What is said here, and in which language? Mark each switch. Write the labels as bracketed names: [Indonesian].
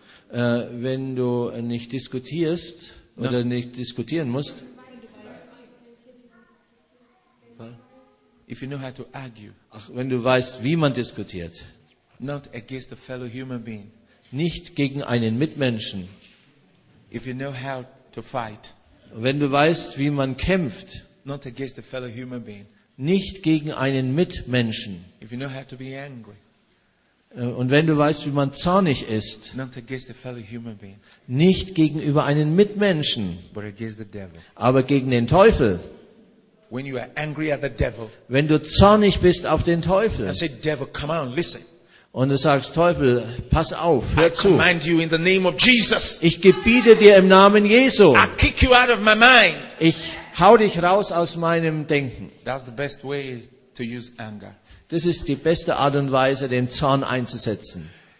[German] Wenn du nicht diskutierst oder nicht diskutieren musst. [English] If you know how to argue. [German] Ach, wenn du weißt, wie man diskutiert. [English] Not against a fellow human being. [German] Nicht gegen einen Mitmenschen. [English] If you know how to fight. [German] Wenn du weißt, wie man kämpft. [English] not against a fellow human being. [German] Nicht gegen einen Mitmenschen. [English] If you know how to be angry. [German] Und wenn du weißt, wie man zornig ist, [English] not against a fellow human being. [German] Nicht gegenüber einem Mitmenschen, [English] but against the devil. [German] Aber gegen den Teufel. [English] When you are angry at the devil. [German] Wenn du zornig bist auf den Teufel. [English] I say, devil, come on, listen. [German] Und du sagst, Teufel, pass auf, hör zu. [English] I command you in the name of Jesus. [German] Ich gebiete dir im Namen Jesu. [English] I kick you out of my mind. [German] Ich hau dich raus aus meinem Denken. [English] That's the best way to use anger. [German] Das ist die beste Art und Weise, den Zorn einzusetzen.